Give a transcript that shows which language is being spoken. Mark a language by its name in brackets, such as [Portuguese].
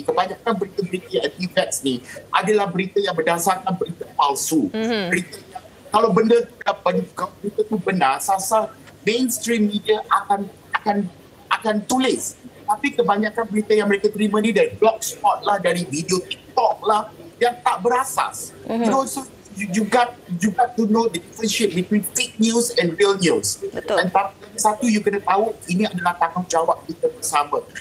[Malay] Kebanyakan berita-berita anti-vax ni adalah berita yang berdasarkan berita palsu. Berita yang, kalau benda tu benar, sasar mainstream media akan akan tulis. Tapi kebanyakan berita yang mereka terima ni dari blogspot lah, dari video TikTok lah, yang tak berasas. Mm-hmm. [English] You know, so you got to know the differentiate between fake news and real news. [Malay] Betul. And satu, you kena tahu ini adalah tanggungjawab kita bersama.